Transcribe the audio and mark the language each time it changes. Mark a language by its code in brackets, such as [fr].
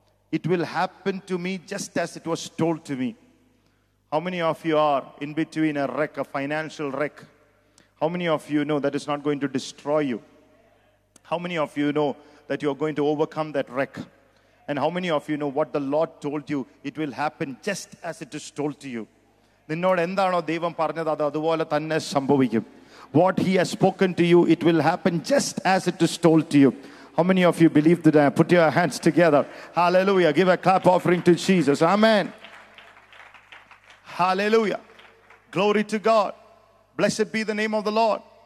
[en] It will happen to me just as it was told to me. How many of you are in between a wreck, a financial wreck? How many of you know that it's not going to destroy you? How many of you know that you are going to overcome that wreck? And how many of you know what the Lord told you? It will happen just as it is told to you. [ml] നിന്നോട് എന്താണോ ദൈവം പറഞ്ഞത് അത് അതുപോലെ തന്നെ സംഭവിക്കും. [en] What he has spoken to you, it will happen just as it is told to you. How many of you believe that? Put your hands together. Hallelujah. Give a clap offering to Jesus. Amen. Hallelujah. Glory to God. Blessed be the name of the Lord.